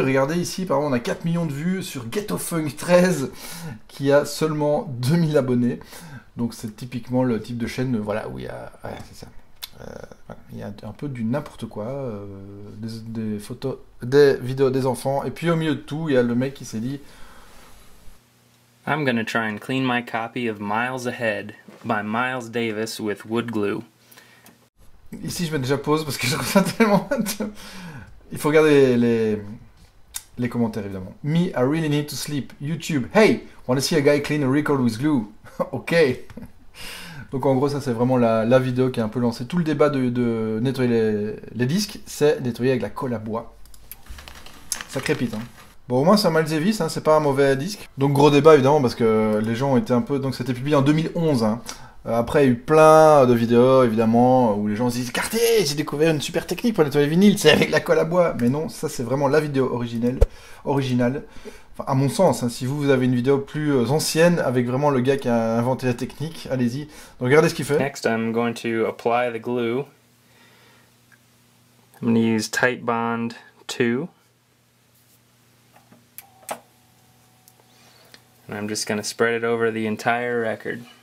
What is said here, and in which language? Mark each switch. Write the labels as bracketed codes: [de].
[fr] Regardez ici, par exemple, on a 4 millions de vues sur Ghetto Funk 13, qui a seulement 2000 abonnés. Donc c'est typiquement le type de chaîne voilà, où il y a... Ouais, c'est ça. Il y a un peu du n'importe quoi, des photos, des vidéos des enfants, et puis au milieu de tout, il y a le mec qui s'est dit... [en] I'm gonna try and clean my copy of Miles Ahead by Miles Davis with wood glue. [fr] Ici, je mets déjà pause parce que je trouve ça tellement... Il faut regarder les commentaires, évidemment. [en] Me, I really need to sleep. YouTube, hey, wanna see a guy clean a record with glue? Ok. [fr] Donc en gros ça c'est vraiment la vidéo qui a un peu lancé tout le débat de nettoyer les disques, c'est nettoyer avec la colle à bois. Ça crépite hein. Bon au moins c'est un Miles Davis, hein, c'est pas un mauvais disque. Donc gros débat évidemment parce que les gens ont été un peu... Donc c'était publié en 2011 hein. Après il y a eu plein de vidéos évidemment où les gens se disent « Cartier, j'ai découvert une super technique pour nettoyer les vinyles, c'est avec la colle à bois !» Mais non, ça c'est vraiment la vidéo originale. Enfin, à mon sens, hein, si vous avez une vidéo plus ancienne avec vraiment le gars qui a inventé la technique, allez-y. Donc regardez ce qu'il fait. [en] Next, I'm going to apply the glue. I'm going to use Tight Bond 2. And I'm just going to spread it over the entire record.